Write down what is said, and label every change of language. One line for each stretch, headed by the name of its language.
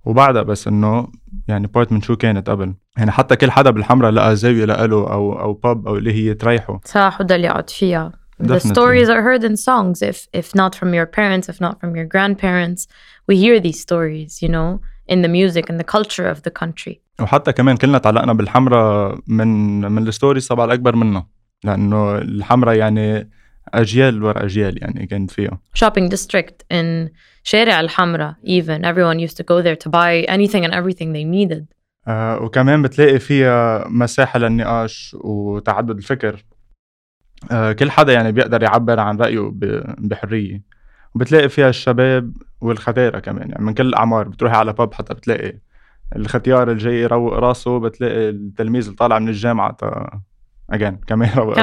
Arabic: وبعدها بس إنه يعني بارت من شو كانت قبل, يعني حتى كل حدا بالحمرا لقى زاوية لقاله أو باب أو اللي هي تريحه صح ودل يقعد فيها.
English: The stories are heard in songs if not from your parents, if not from your grandparents. We hear these stories, you know, in the music and the culture of the country.
Arabic: وحتى كمان كلنا تعلقنا بالحمرا من الستوريز تبع الأكبر منا, لأنه الحمرا يعني أجيال ورا أجيال يعني كانت فيها.
English: Shopping district in شارع الحمرا even. Everyone used to go there to buy anything and everything they needed.
Arabic: وكمان بتلاقي فيها مساحة للنقاش وتعدد الفكر. كل حدا يعني بيقدر يعبر عن رأيه بحرية. وبتلاقي فيها الشباب والختيارة كمان يعني من كل الأعمار. بتروحي على باب حتى بتلاقي الختيار الجاي يروق راسه, بتلاقي التلميذ اللي طالع من الجامعة أجان كمان يروق راسه.